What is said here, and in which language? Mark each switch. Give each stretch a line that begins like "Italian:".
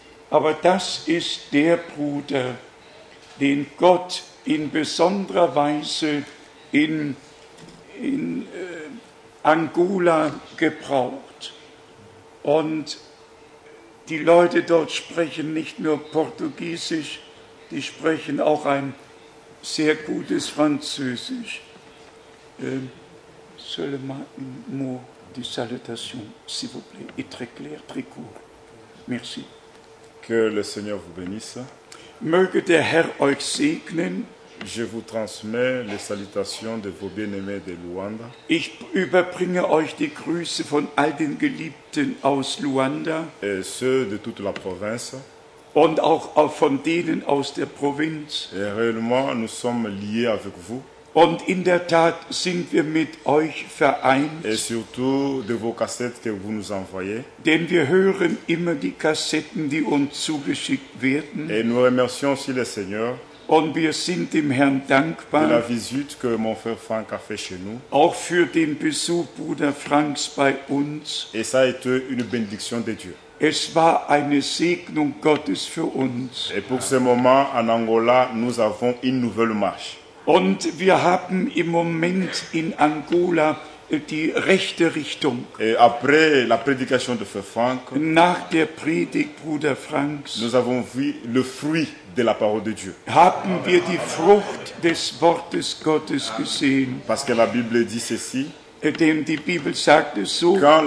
German: Aber das ist der Bruder, den Gott in besonderer Weise in Angola gebraucht. Und die Leute dort sprechen nicht nur Portugiesisch, die sprechen auch ein sehr gutes Französisch.
French: Seulement un mot de salutation, s'il vous plaît, et très clair, très court. Merci. Que le Seigneur vous bénisse.
German: Möge der Herr euch segnen.
French: Je vous transmets les salutations de vos bien-aimés de Luanda.
German: Ich überbringe euch die Grüße von all den Geliebten aus Luanda.
French: Et ceux de toute la province.
German: Und auch von denen aus der Provinz.
French: Et réellement, nous sommes liés avec vous.
German: Und in der Tat sind wir mit euch vereint.
French: Et surtout de vos cassettes que vous nous envoyez.
German: Denn wir hören immer die Kassetten, die uns zugeschickt werden.
French: Et nous remercions aussi le Seigneur.
German: Und wir sind dem Herrn dankbar.
French: De la visite que mon frère Frank a fait chez nous.
German: Auch für den Besuch Bruder Franks bei uns.
French: Et ça a été une bénédiction de Dieu.
German: Es war eine Segnung Gottes für uns.
French: Et pour ce moment, en Angola, nous avons une nouvelle marche.
German: Und wir haben im Moment in Angola die rechte Richtung.
French: Et après la prédication de Frère Frank,
German: nach der Predigt Bruder Franks,
French: nous avons vu le fruit de la parole de Dieu.
German: Haben wir die Frucht des Wortes Gottes gesehen.
French: Parce que la Bible dit ceci.
German: Denn die Bibel sagt es so.